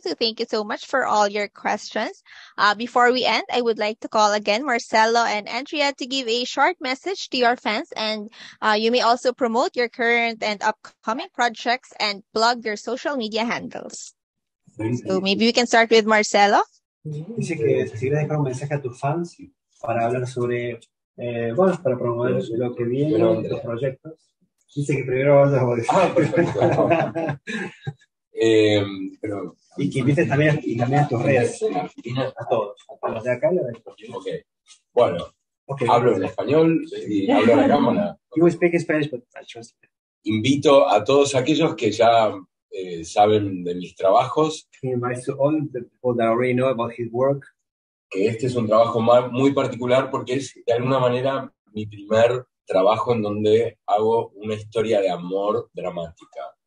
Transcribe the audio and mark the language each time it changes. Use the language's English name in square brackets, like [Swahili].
[English] So thank you so much for all your questions. Before we end, I would like to call again Marcelo and Andrea to give a short message to your fans. And you may also promote your current and upcoming projects and plug your social media handles. So maybe we can start with Marcelo. [Spanish] Dice que si le dejo un mensaje a tus fans para hablar sobre... bueno, para promover lo que viene, bueno, los proyectos. Dice que primero vamos a volver. Ah, perfecto. pero, y que invites también a tus redes. A todos. A los de acá y a los de acá. Ok. Bueno, hablo en español y hablo en la cámara. [English] You will speak Spanish, but I trust you. [Spanish] Invito a todos aquellos que ya saben de mis trabajos. [English] He invites all the people that already know about his work. [Spanish] Que este es un trabajo muy particular porque es, de alguna manera, mi primer trabajo en donde hago una historia de amor dramática.